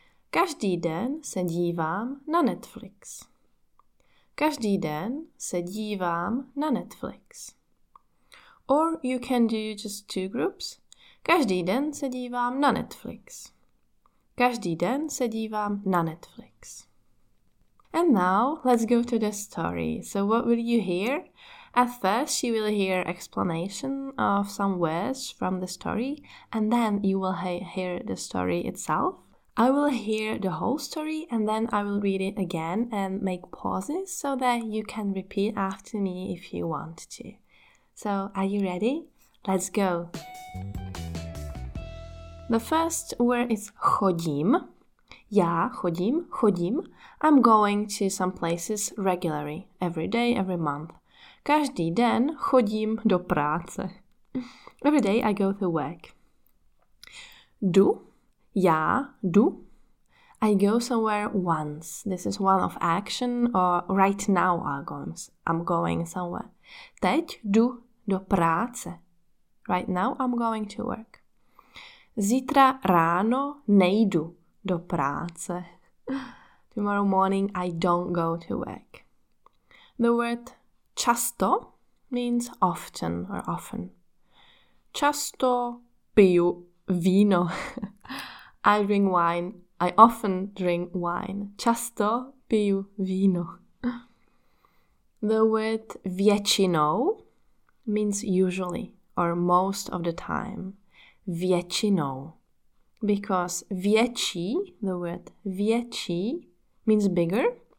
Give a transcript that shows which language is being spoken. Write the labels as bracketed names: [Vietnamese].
[Czech] Každý den se dívám na Netflix. Každý den se dívám na Netflix. [English] Or you can do just two groups. [Czech] Každý den se dívám na Netflix. Každý den se dívám na Netflix. [English] And now let's go to the story. So what will you hear? At first you will hear explanation of some words from the story, and then you will hear the story itself. I will hear the whole story and then I will read it again and make pauses so that you can repeat after me if you want to. So, are you ready? Let's go! The first word is chodím. [Czech] Já chodím, chodím. [English] I'm going to some places regularly, every day, every month. [Czech] Každý den chodím do práce. [English] Every day I go to work. Du. [Czech] Já jdu. [English] I go somewhere once. This is one of action, or right now I'm going somewhere. [Czech] Teď jdu do práce. [English] Right now I'm going to work. [Czech] Zítra ráno nejdu do práce. [English] Tomorrow morning I don't go to work. The word často means often or often. [Czech] Často piju víno. [English] I drink wine. I often drink wine. [Czech] Často piju víno. [English] The word většinou means usually or most of the time. [Czech] Většinou. [English] Because větší, the word větší, means bigger.